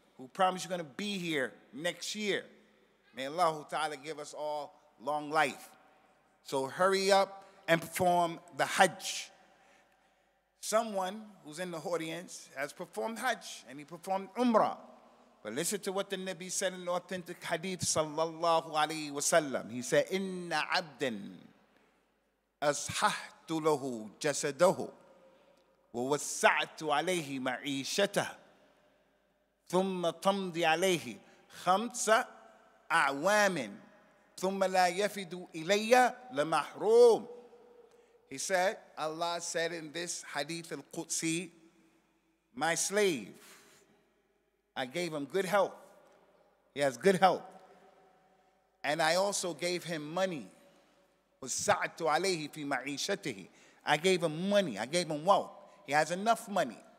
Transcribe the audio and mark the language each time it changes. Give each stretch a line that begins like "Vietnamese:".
English: Who promised you're going to be here next year? May Allah Ta'ala give us all long life. So hurry up and perform the hajj. Someone who's in the audience has performed hajj, and he performed umrah. But listen to what the Nabi said in the authentic hadith, sallallahu alayhi wa sallam. He said,
Arabic: inna abdan ashahtu لَهُ جَسَدَهُ وَوَسَّعْتُ عَلَيْهِ مَعِيشَتَهُ ثُمَّ تَمْضِي عَلَيْهِ خَمْسَ أَعْوَامٍ ثُمَّ لَا يَفِدُ إِلَيَّ لَمَحْرُومٍ.
English: He said, Allah said in this hadith al-Qudsi, my slave, I gave him good health. He has good health. And I also gave him money.
Arabic: وَسَعَتُ عَلَيْهِ فِي مَعِيشَتِهِ.
English: I gave him money. I gave him wealth. He has enough money.